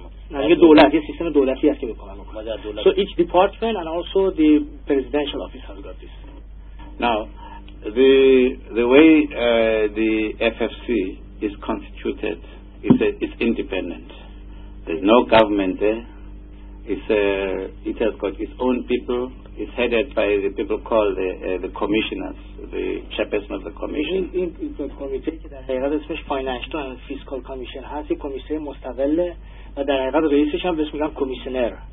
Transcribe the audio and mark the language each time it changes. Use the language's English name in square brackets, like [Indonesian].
[Persian] نه دولت یه سیستم دولتی هست که بکنم. [English] So each department and also the presidential office has got this. Now the way the FFC is constituted is independent. There's no government there. It has got its own people. It's headed by the people called the commissioners, the chairperson of the commission. [Persian] این کمیته که در حقیقت اسمش فایننشال اند فیسکال کمیشن هست، یک کمیته مستقل و در حقیقت رئیسش هم بهش میگن کمیشنر.